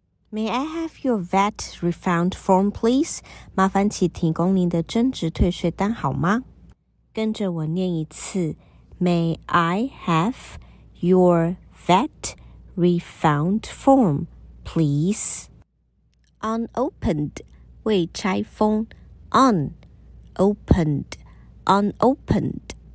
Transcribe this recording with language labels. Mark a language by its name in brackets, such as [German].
[English] May I have your VAT refund form, please? [Chinese] 麻烦请提供您的增值退税单好吗？跟着我念一次 [English] May I have your VAT refund form, please? Unopened, [Chinese] 未拆封 [English] Unopened, unopened